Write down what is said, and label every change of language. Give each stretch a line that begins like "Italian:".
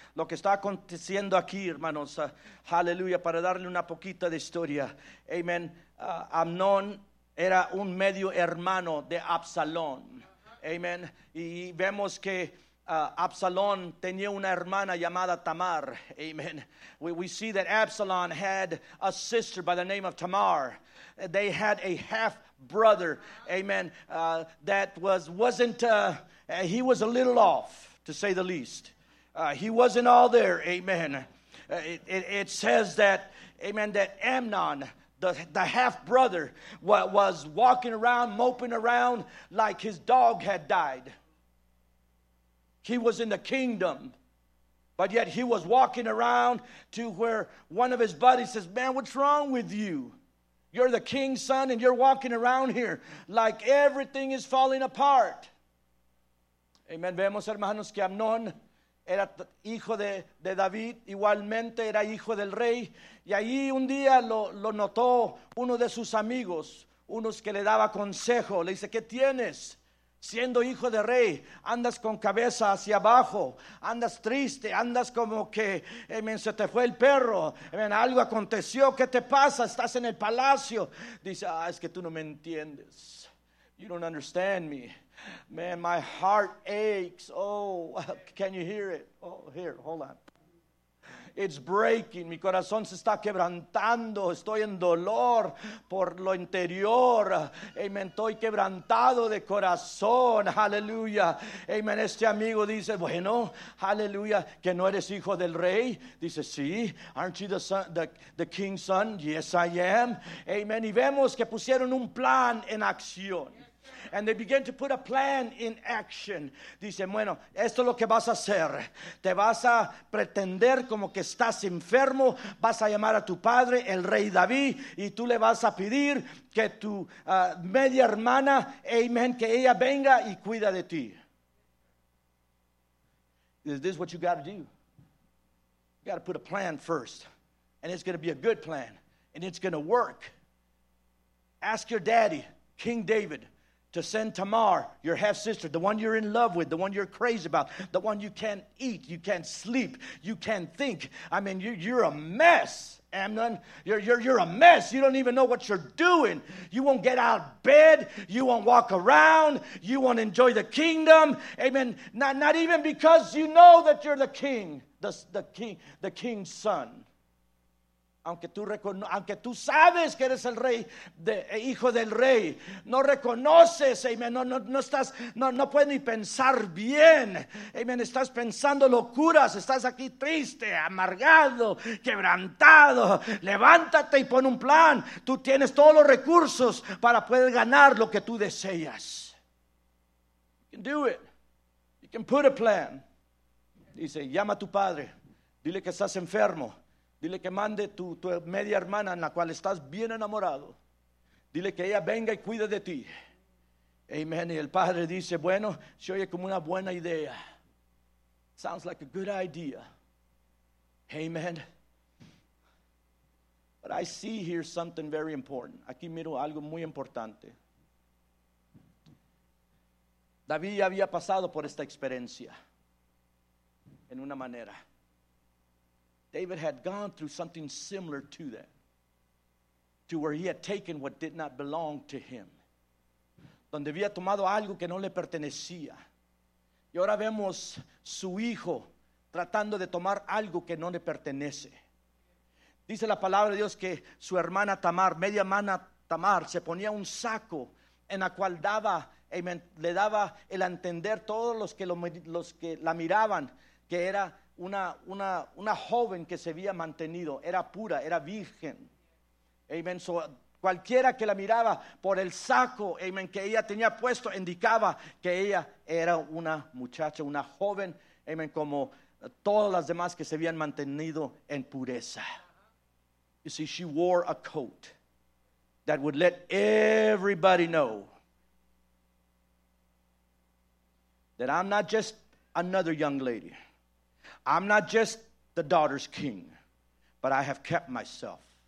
Spanish: Lo que está aconteciendo aquí, hermanos, hallelujah, para darle una poquita de historia. Amen. Amnon era un medio hermano de Absalom. Amen. Y vemos que Absalom tenía una hermana llamada Tamar. Amen.
English: We see that Absalom had a sister by the name of Tamar. They had a half brother. Amen. He was a little off, to say the least. He wasn't all there. Amen. It says that, amen, that Amnon, the half-brother, was walking around, moping around like his dog had died. He was in the kingdom, but yet he was walking around to where one of his buddies says, man, what's wrong with you? You're the king's son, and you're walking around here like everything is falling apart. Amen.
Spanish: Vemos, hermanos, que Amnón era hijo de David, igualmente era hijo del rey. Y ahí un día lo notó uno de sus amigos, unos que le daba consejo. Le dice, ¿qué tienes? Siendo hijo de rey, andas con cabeza hacia abajo, andas triste, andas como que se te fue el perro, algo aconteció, ¿qué te pasa? Estás en el palacio. Dice, ah, es que tú no me entiendes.
English: You don't understand me. Man, my heart aches. Oh, can you hear it? Oh, here, hold on. It's breaking.
Spanish: Mi corazón se está quebrantando. Estoy en dolor por lo interior. Amen. Estoy quebrantado de corazón. Hallelujah. Amen. Este amigo dice, bueno, hallelujah, que no eres hijo del rey. Dice, sí.
English: Aren't you the son, the king's son? Yes, I am.
Spanish: Amen. Y vemos que pusieron un plan en acción.
English: And they began to put a plan in action.
Spanish: Dice, bueno, esto es lo que vas a hacer. Te vas a pretender como que estás enfermo. Vas a llamar a tu padre, el rey David. Y tú le vas a pedir que tu media hermana, amen, que ella venga y cuida de ti.
English: Is this what you got to do? You got to put a plan first. And it's going to be a good plan. And it's going to work. Ask your daddy, King David, to send Tamar, your half-sister, the one you're in love with, the one you're crazy about, the one you can't eat, you can't sleep, you can't think. I mean, you're a mess. Amnon, you're a mess. You don't even know what you're doing. You won't get out of bed. You won't walk around. You won't enjoy the kingdom. Amen. Not even because you know that you're the king, the king's son.
Spanish: Aunque tú sabes que eres el rey, hijo del rey, no reconoces, amen, no puedes ni pensar bien, amen, estás pensando locuras, estás aquí triste, amargado, quebrantado. Levántate y pon un plan. Tú tienes todos los recursos para poder ganar lo que tú deseas.
English: You can do it. You can put a plan.
Spanish: Dice, llama a tu padre, dile que estás enfermo. Dile que mande tu media hermana en la cual estás bien enamorado. Dile que ella venga y cuide de ti. Amen. Y el padre dice, bueno, se oye como una buena idea.
English: Sounds like a good idea. Amen. But I see here something very important.
Spanish: Aquí miro algo muy importante. David había pasado por esta experiencia en una manera.
English: David had gone through something similar to that, to where he had taken what did not belong to him.
Spanish: Donde había tomado algo que no le pertenecía. Y ahora vemos su hijo tratando de tomar algo que no le pertenece. Dice la palabra de Dios que su hermana Tamar, media hermana Tamar, se ponía un saco en la cual daba, amen, le daba el entender a todos los que la miraban que era una joven que se había mantenido, era pura, era virgen. Amen. So, cualquiera que la miraba por el saco, amen, que ella tenía puesto, indicaba que ella era una muchacha, una joven, amen, como todas las demás que se habían mantenido en pureza.
English: You see, she wore a coat that would let everybody know that I'm not just another young lady. I'm not just the daughter's king, but I have kept myself.